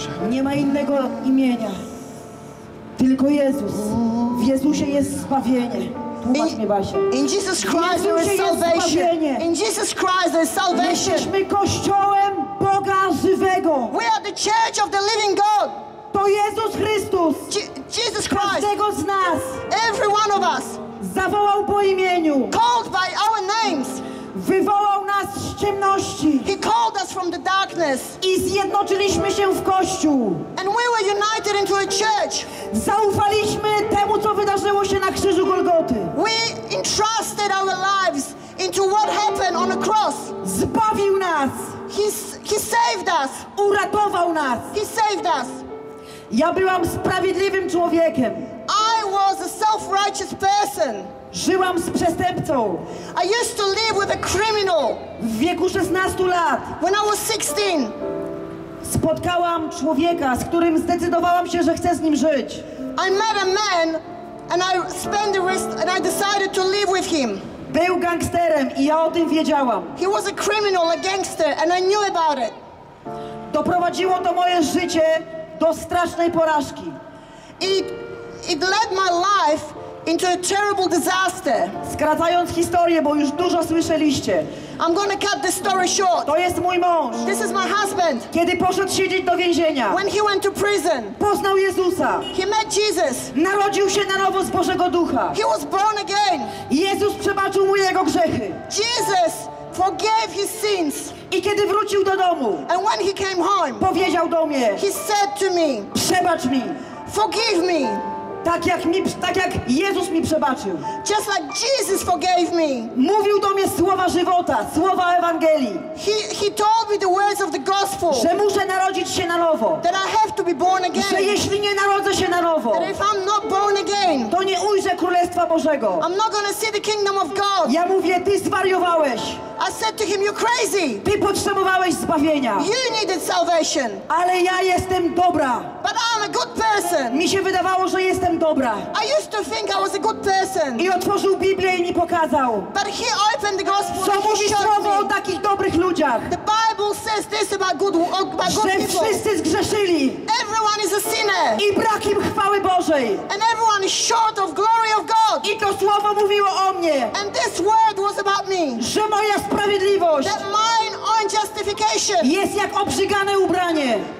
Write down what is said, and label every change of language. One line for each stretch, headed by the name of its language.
Polish: Nie ma innego imienia. Tylko Jezus. W Jezusie jest zbawienie.
English: In Jesus Christ there is salvation. In Jesus Christ there is salvation.
Polish: My kościołem Boga żywego.
English: We are the church of the living God.
Polish: To Jezus Chrystus.
English: Jesus Christ.
Polish: Każdego z nas.
English: Every one of us.
Polish: Zawołał po imieniu.
English: Called by our names.
Polish: Wywołał nas z ciemności.
English: He called us from the darkness.
Polish: I zjednoczyliśmy się w kościół.
English: And we were united into a church.
Polish: Zaufaliśmy temu, co wydarzyło się na krzyżu Golgoty.
English: We entrusted our lives into what happened on the cross.
Polish: Zbawił nas.
English: He saved us.
Polish: Uratował nas.
English: He saved us.
Polish: Ja byłam sprawiedliwym człowiekiem.
English: I was a self-righteous person.
Polish: Żyłam z przestępcą.
English: I used to live with a criminal.
Polish: W wieku 16 lat.
English: When I was 16.
Polish: Spotkałam człowieka, z którym zdecydowałam się, że chcę z nim żyć.
English: I met a man and I spent the rest and I decided to live with him.
Polish: Był gangsterem i ja o tym wiedziałam.
English: He was a criminal, a gangster and I knew about it.
Polish: Doprowadziło to moje życie do strasznej porażki.
English: It led my life into a terrible disaster.
Polish: Skracając historię, bo już dużo słyszeliście.
English: I'm gonna cut the story short.
Polish: To jest mój mąż.
English: This is my husband.
Polish: Kiedy poszedł siedzieć do więzienia.
English: When he went to prison.
Polish: Poznał Jezusa.
English: He met Jesus.
Polish: Narodził się na nowo z Bożego Ducha.
English: He was born again.
Polish: Jezus przebaczył mu jego grzechy.
English: Jesus forgave his sins.
Polish: I kiedy wrócił do domu.
English: And when he came home.
Polish: Powiedział do mnie.
English: He said to me.
Polish: Przebacz mi.
English: Forgive me.
Polish: Tak jak Jezus mi przebaczył.
English: Just like Jesus forgave me.
Polish: Mówił do mnie słowa żywota, słowa Ewangelii.
English: He told me the words of the gospel.
Polish: Że muszę narodzić się na nowo.
English: That I have to be born again.
Polish: Że jeśli nie narodzę się na nowo.
English: That if I'm not born again.
Polish: To nie ujrzę Królestwa Bożego.
English: I'm not gonna see the kingdom of God.
Polish: Ja mówię, ty zwariowałeś.
English: I said to him, you're crazy.
Polish: Ty potrzebowałeś zbawienia.
English: You needed salvation.
Polish: Ale ja jestem dobra.
English: But I'm a good person.
Polish: Mi się wydawało, że jestem dobra.
English: I used to think I was a good person.
Polish: I otworzył Biblię i mi pokazał.
English: But he opened the gospel.
Polish: Co mówi słowo o takich dobrych ludziach?
English: The Bible says this about good
Polish: że
English: people.
Polish: Wszyscy zgrzeszyli.
English: Everyone is a sinner.
Polish: I brak im chwały Bożej.
English: And everyone is short of glory of God.
Polish: I to słowo mówiło o mnie.
English: And this word was about me.
Polish: Że moja sprawiedliwość.
English: That mine own justification.
Polish: Jest jak obrzygane ubranie.